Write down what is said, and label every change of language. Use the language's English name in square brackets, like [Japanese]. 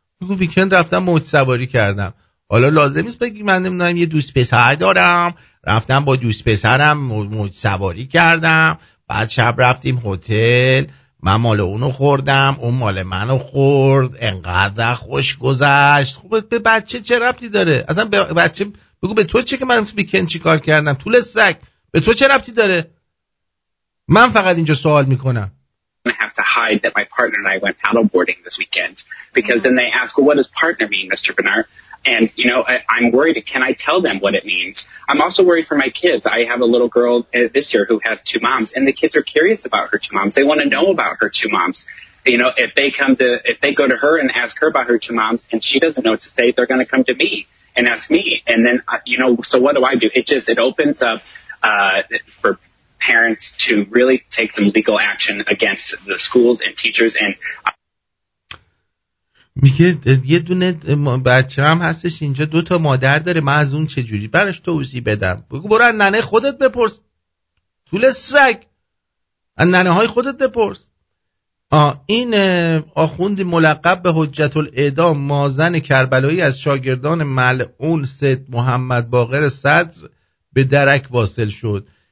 [Persian] بگو ویکند رفتم موج سواری کردم. حالا لازم نیست بگی من نمیدونم یه دوست پسر دارم، رفتم با دوست پسرم موج سواری کردم، بعد شب رفتیم هتل، من مال اونو خوردم، اون مال منو خورد، انقدر خوش گذشت. خب به بچه چه ربطی داره؟ اصلا به بچه بگو به تو چه که من ویکند چی کار کردم؟ طول سگ به تو چه ربطی داره؟ من فقط اینجا سوال میکنم. [English] I have to hide that my partner and I went paddleboarding this weekend because then they ask, well, what does partner mean, Mr. Bernard? And you know, I'm worried, can I tell them what it means? I'm also worried for my kids. I have a little girl this year who has two moms, and the kids are curious about her two moms. They want to know about her two moms. You know, if they go to her and ask her about her two moms, and she doesn't know what to say, they're going to come to me and ask me. And then, you know, so what do I do? It opens up for parents to really take some legal action against the schools and teachers. And [Persian] میگه یه دونه بچه هم هستش اینجا، دو تا مادر داره، من از اون چجوری برش توضیح بدم؟ بگو برو از ننه خودت بپرس، طول سگ از ننه های خودت بپرس. این آخوندی ملقب به حجت الاعدام مازن کربلایی از شاگردان ملعون سید محمد باقر صدر به درک واصل شد.